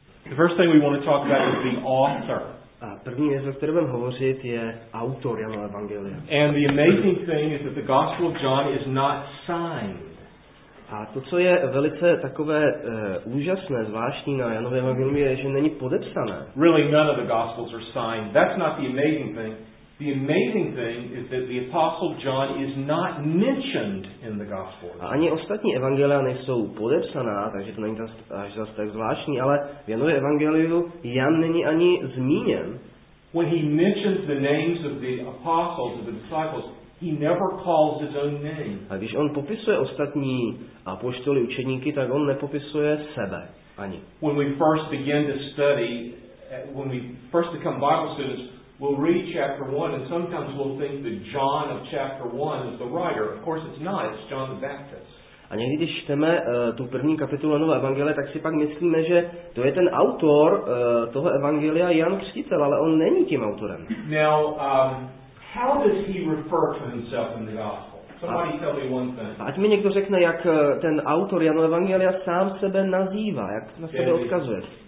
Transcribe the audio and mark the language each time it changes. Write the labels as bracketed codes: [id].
[en] The first thing we want to talk about is the author. [cs] A první věc, o které budeme hovořit, je autor Janova evangelia. [en] And the amazing thing is that the Gospel of John is not signed. [cs] A to, co je velice takové úžasné, zvláštní na Janově evangeliu, je, že není podepsané. [en] Really none of the Gospels are signed. That's not the amazing thing. The amazing thing is that the Apostle John is not mentioned in the Gospel. [cs] A ani ostatní evangelia nejsou podepsaná, takže to není až zase tak zvláštní, ale v Janově evangeliu Jan není ani zmíněn. [en] When he mentions the names of the apostles and the disciples, he never calls his own name. [cs] A když on popisuje ostatní apoštoly, učeníky, tak on nepopisuje sebe ani. [en] When we first begin to study, when we first become Bible students, we'll read chapter 1 and sometimes we'll think that John of chapter 1 is the writer. Of course it's not, it's John the Baptist. [cs] A někdy, když čteme tu první kapitolu Janova evangelia, tak si pak myslíme, že to je ten autor toho evangelia Jan Křtitel, ale on není tím autorem. [en] Now, how does he refer to himself in the gospel? Somebody tell me one thing. [cs] Ať mi někdo řekne, jak ten autor Janova evangelia sám sebe nazývá, jak na sebe odkazuje.